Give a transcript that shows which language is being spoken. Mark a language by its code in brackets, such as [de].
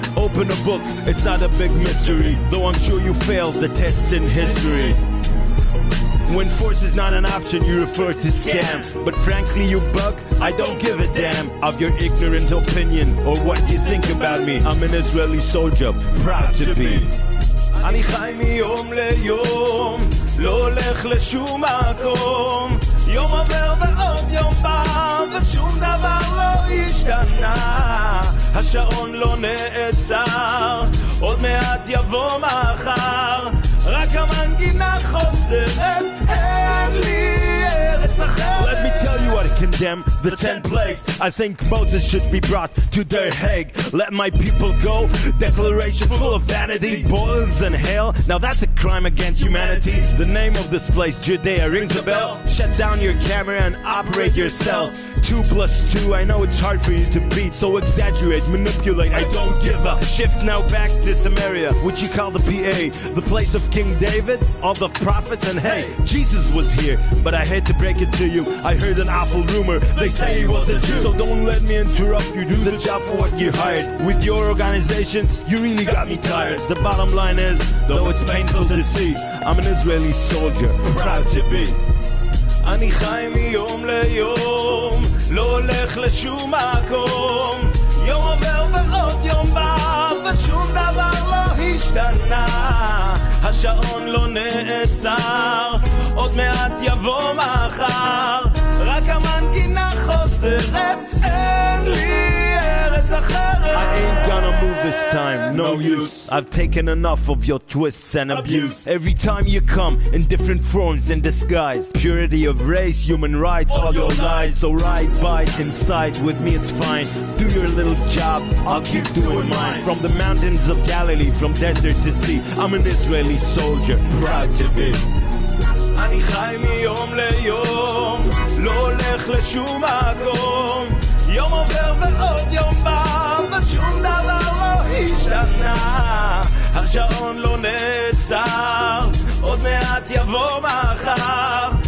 [en] Open a book, it's not a big mystery, though I'm sure you failed the test in history. When force is not an option, you refer to scam. But frankly, you buck, I don't give a damn of your ignorant opinion or what you think about me. I'm an Israeli soldier, proud to be. [he] אני חי מיום ליום, לא הולך לשום מקום. יום עובר ועוד יום בא, ושום דבר לא השתנה. השעון לא נעצר, עוד מעט יבוא מחר. רק המנגינה חוזרת, אין לי ארץ אחרת. [en] Let me tell you what I condemn, the 10 plagues. I think Moses should be brought to the Hague. Let my people go, declaration full of vanity. Boils and hail, now that's a crime against humanity. The name of this place, Judea, rings a bell. Shut down your camera and operate yourselves. 2 plus 2, I know it's hard for you to beat. So exaggerate, manipulate, I don't give a. Shift now back to Samaria, which you call the PA. The place of King David, all the prophets. And hey, Jesus was here, but I hate to break it to you, I heard an awful rumor, they say he was a Jew. So don't let me interrupt you, do the job for what you hired. With your organizations, you really got me tired. The bottom line is, though it's painful to see, I'm an Israeli soldier, proud to be. [he] אני חי מיום ליום, לא הולך לשום מקום. יום עובר ועוד יום בא, ושום דבר לא השתנה. השעון לא נעצר, עוד מעט יבוא מחר. רק המנגינה חוזרת, אין לי ארץ אחרת. [en] I ain't gonna move this time, no use. I've taken enough of your twists and abuse. Every time you come in different forms in disguise. Purity of race, human rights, all your lies. So ride by inside with me, it's fine. Do your little job, I'll keep doing mine. From the mountains of Galilee, from desert to sea, I'm an Israeli soldier, proud to be. [he] אני חי מיום ליום, לא הולך לשום מקום. יום עובר ועוד יום בא, ושום דבר לא השתנה. השעון לא נעצר, עוד מעט יבוא מחר.